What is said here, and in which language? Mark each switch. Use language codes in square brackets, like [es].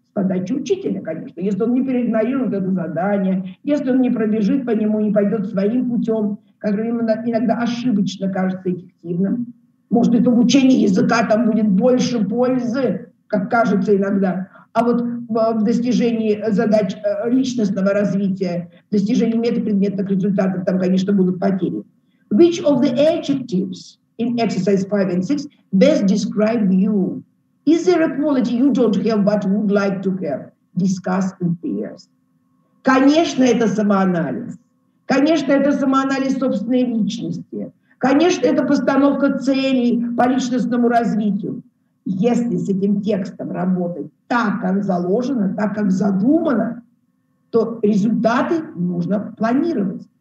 [ru] С подачи учителя, конечно. Если он не переигнорирует это задание, если он не пробежит по нему, не пойдет своим путем, который ему иногда ошибочно кажется эффективным. Может, это обучение языка там будет больше пользы, как кажется иногда. А вот в достижении задач личностного развития, в достижении метапредметных результатов там, конечно, будут потери. [en] Which of the adjectives in exercise 5 and 6 best describe you? Is there a quality you don't have, but would like to have? Discuss in pairs. [ru] Конечно, это самоанализ. Конечно, это самоанализ собственной личности. Конечно, это постановка целей по личностному развитию. Если с этим текстом работать так, как заложено, так, как задумано, то результаты нужно планировать.